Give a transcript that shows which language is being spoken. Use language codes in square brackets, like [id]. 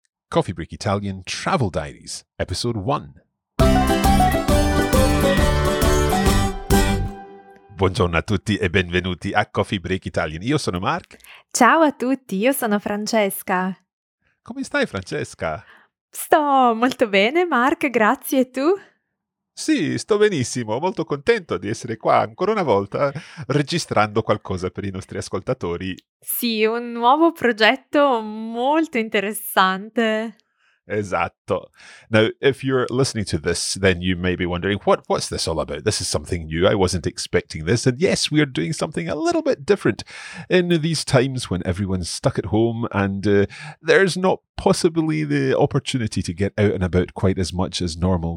[en] Coffee Break Italian Travel Diaries, Episode 1. [it] Buongiorno a tutti e benvenuti a Coffee Break Italian. Io sono Mark. Ciao a tutti, io sono Francesca. Come stai, Francesca? Sto molto bene, Mark, grazie. E tu? Sì, sto benissimo, molto contento di essere qua ancora una volta registrando qualcosa per i nostri ascoltatori. Sì, un nuovo progetto molto interessante. Esatto. [en] Now, if you're listening to this, then you may be wondering, what's this all about? This is something new. I wasn't expecting this. And yes, we are doing something a little bit different in these times when everyone's stuck at home and there's not possibly the opportunity to get out and about quite as much as normal.